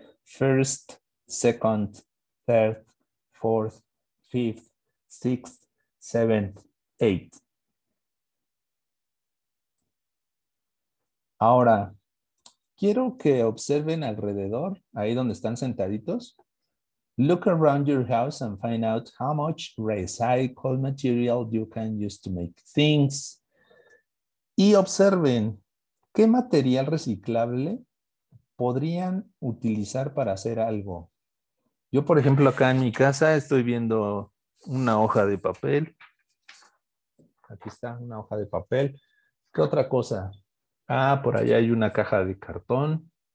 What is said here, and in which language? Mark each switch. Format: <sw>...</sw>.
<en>First, second, third, fourth, fifth, sixth, seventh, eighth.</en> <es>Ahora, quiero que observen alrededor, ahí donde están sentaditos.</es> <en>Look around your house and find out how much recycled material you can use to make things.</en> <es>Y observen qué material reciclable podrían utilizar para hacer algo. Yo, por ejemplo, acá en mi casa estoy viendo una hoja de papel. Aquí está una hoja de papel. ¿Qué otra cosa? Ah, por allá hay una caja de cartón.</es>